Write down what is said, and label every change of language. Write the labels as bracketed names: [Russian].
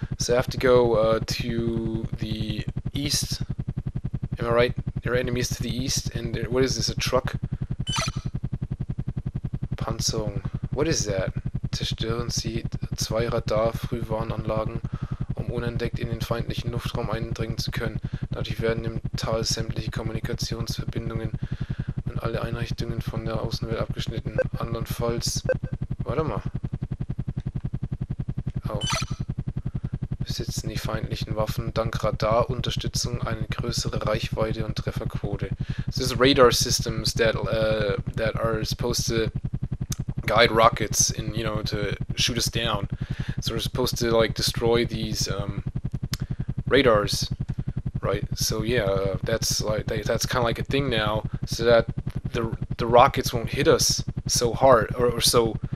[English] So I have to go to the east. Am I right? There are enemies to the east, and there, what is this? A truck? Panzerung. What is that? [German] Zerstören Sie zwei Radar-Frühwarnanlagen, um unentdeckt in den feindlichen Luftraum eindringen zu können. Dadurch werden im Tal sämtliche Kommunikationsverbindungen und alle Einrichtungen von der Außenwelt abgeschnitten. Andernfalls. Warte mal. Oh. Besitzen die feindlichen Waffen dank Radarunterstützung eine größere Reichweite und Trefferquote. [English] This is radar systems that are supposed to guide rockets and, you know, to shoot us down. So we're supposed to, like, destroy these radars, right? So yeah, that's kind of like a thing now, so that the rockets won't hit us so hard or so.